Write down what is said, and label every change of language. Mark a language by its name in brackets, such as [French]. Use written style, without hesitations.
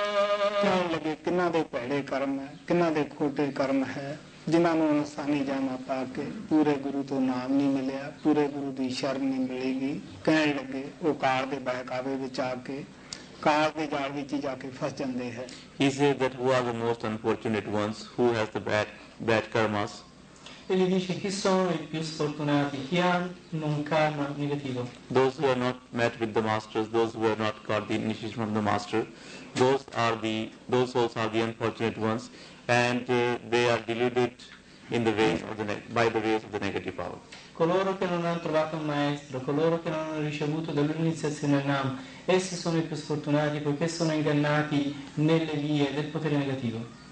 [Punjabi] kyun lage kinna de pehde karam hai kinna de khote karam hai ਜਿਨ੍ਹਾਂ ਨੂੰ ਅਨਸਾਨੀ ਜਾਮਾ ਪਾ ਕੇ ਪੂਰੇ ਗੁਰੂ ਤੋਂ ਨਾਮ ਨਹੀਂ ਮਿਲਿਆ, ਪੂਰੇ ਗੁਰੂ ਦੀ ਸ਼ਰਨ ਨਹੀਂ ਮਿਲੇਗੀ, ਕਹਿਣ ਲੱਗੇ ਉਹ ਕਾਲ ਦੇ ਬਹਿਕਾਵੇ ਵਿੱਚ ਆ ਕੇ ਕਾਲ ਦੇ ਜਾਲ ਵਿੱਚ ਜਾ ਕੇ ਫਸ ਜਾਂਦੇ ਹੈ. [English] He says that who are the most unfortunate ones, who has the bad karmas. [Italian] E gli dice chi sono i più sfortunati, chi hanno un karma negativo. [English] Those who are not met with the masters, those who have not got the initiation from the master, those souls are the unfortunate ones. And they are deluded in the ways of the by the ways of the negative power. [Italian] Coloro che non hanno trovato un maestro, coloro che non hanno ricevuto da lui l'iniziazione al Nam, essi sono i più sfortunati poiché sono ingannati nelle vie del potere negativo.